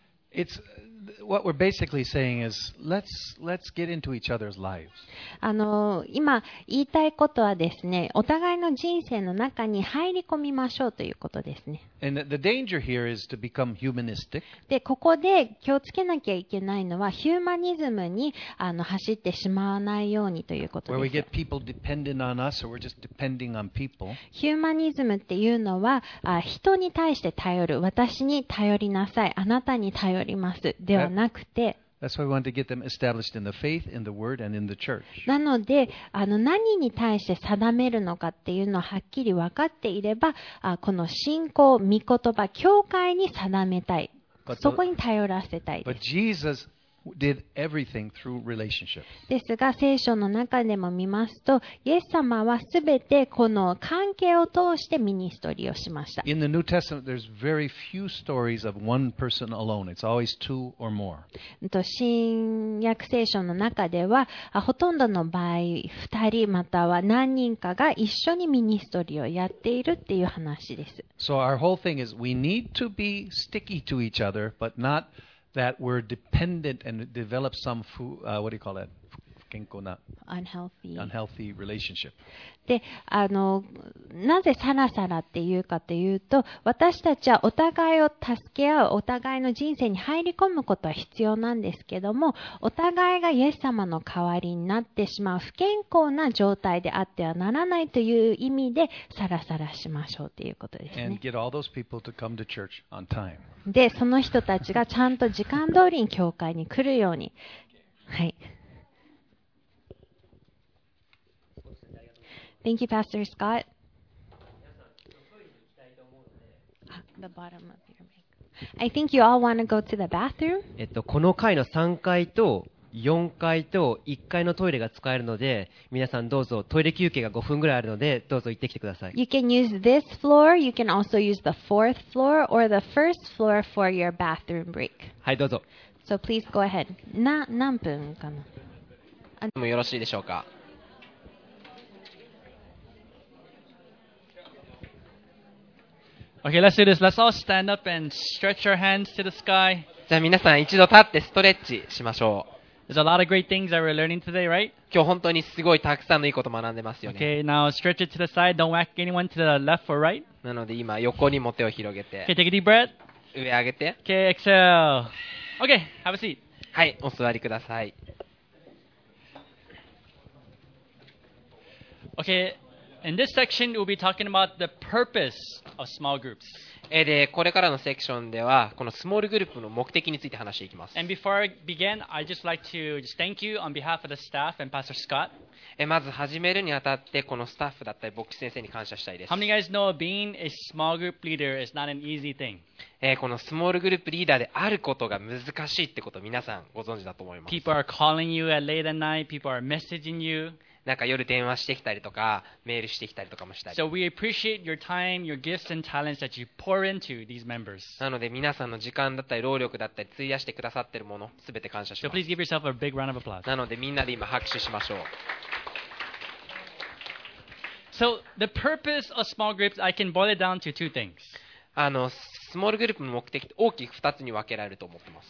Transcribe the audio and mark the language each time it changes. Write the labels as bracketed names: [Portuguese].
[English] It's what we're basically saying is let's get into each other's lives. [Japanese] あの、今言いたいことはですね、お互いの人生の中に入り込みましょうということですね。 [English] And the danger here is to become humanistic. [Japanese] で、ここで気をつけなきゃいけないのは、ヒューマニズムにあの走ってしまわないようにということです。 [English] Where we get people dependent on us, or we're just depending on people. [Japanese] ヒューマニズムっていうのは、人に対して頼る、私に頼りなさい、あなたに頼ります、ではなくて、 [English] That's why we want to get them established in the faith, in the word, and in the church. [Japanese] なので、あの、何に対して定めるのかっていうのをはっきり分かっていれば、この信仰、御言葉、教会に定めたい。そこに頼らせたいです。 [English] But Jesus did everything through relationship. [Japanese] ですが、聖書の中でも見ますと、イエス様はすべてこの関係を通してミニストリーをしました。 [English] In the New Testament, there's very few stories of one person alone. It's always two or more. [Japanese] 新約聖書の中では、ほとんどの場合、二人または何人かが一緒にミニストリーをやっているっていう話です。 [English] So our whole thing is we need to be sticky to each other, but notthat we're dependent and develop some what do you call that? [Japanese] 健康な [English] unhealthy relationship. [Japanese] で、あの、なぜサラサラっていうかというと、私たちはお互いを助け合う、お互いの人生に入り込むことは必要なんですけども、お互いがイエス様の代わりになってしまう不健康な状態であってはならないという意味でサラサラしましょうということですね。 [English] And get all those people to come to church on time. [Japanese] で、その人たちがちゃんと時間通りに教会に来るように。はい。 [English] Thank you, Pastor Scott. [Japanese] 皆さん、トイレに行きたいと思うので。 [English] あ、the bottom of your mic. I think you all want to go to the bathroom. [Japanese] この階の3階と、 4階と1階のトイレが使えるので皆さんどうぞトイレ休憩が5分ぐらいあるのでどうぞ行ってきてください。 [English] You can use this floor. You can also use the fourth floor or the first floor for your bathroom break. [Japanese] はい、どうぞ。 [English] So please go ahead. [Japanese] 何分かな？もよろしいでしょうか？ [English] Okay, let's do this. Let's all stand up and stretch our hands to the sky. [Japanese] じゃあ皆さん一度立ってストレッチしましょう。 [English] There's a lot of great things that we're learning today, right? [Japanese] 今日本当にすごいたくさんのいいこと学んでますよね。 [English] Okay, now stretch it to the side. Don't whack anyone to the left or right. [Japanese] なので今横にも手を広げて。 [English] Okay, take a deep breath. [Japanese] 上上げて。 [English] Okay, exhale. Okay, have a seat. [Japanese] はい、お座りください。 [English] Okay. In this section, we'll be talking about the purpose of small groups. [Japanese] で、これからのセクションでは、このスモールグループの目的について話していきます。 [English] And before I begin, I'd just like to just thank you on behalf of the staff and Pastor Scott. [Japanese] まず始めるにあたって、このスタッフだったり、牧師先生に感謝したいです。 [English] How many guys know being a small group leader is not an easy thing? [Japanese] このスモールグループリーダーであることが難しいってこと、皆さんご存知だと思います。 [English] People are calling you at late at night. People are messaging you. [Japanese] なんか夜電話してきたりとかメールしてきたりとかもしたり。 [English] So we appreciate your time, your gifts and talents that you pour into these members. [Japanese] なので皆さんの時間だったり労力だったり費やしてくださってるものすべて感謝します。 [English] So please give yourself a big round of applause. [Japanese] なのでみんなで今拍手しましょう。 [English] So the purpose of small groups, I can boil it down to two things. [Japanese] スモールグループの目的大きく2つに分けられると思ってます。